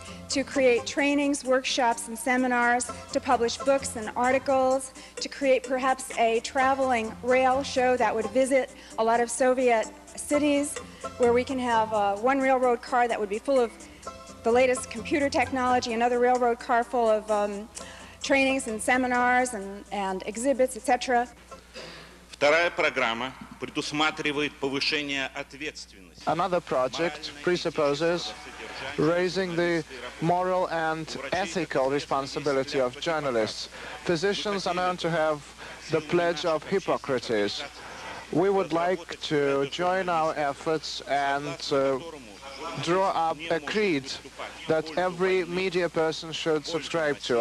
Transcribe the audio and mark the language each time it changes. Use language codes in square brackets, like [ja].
[en] to create trainings, workshops, and seminars, to publish books and articles, to create perhaps a traveling rail show that would visit a lot of Soviet cities, where we can have one railroad car that would be full of the latest computer technology, another railroad car full of trainings and seminars and exhibits, etc. [ru] Вторая программа предусматривает повышение ответственности. [en] Another project presupposes raising the moral and ethical responsibility of journalists. Physicians are known to have the pledge of Hippocrates. We would like to join our efforts and draw up a creed that every media person should subscribe to.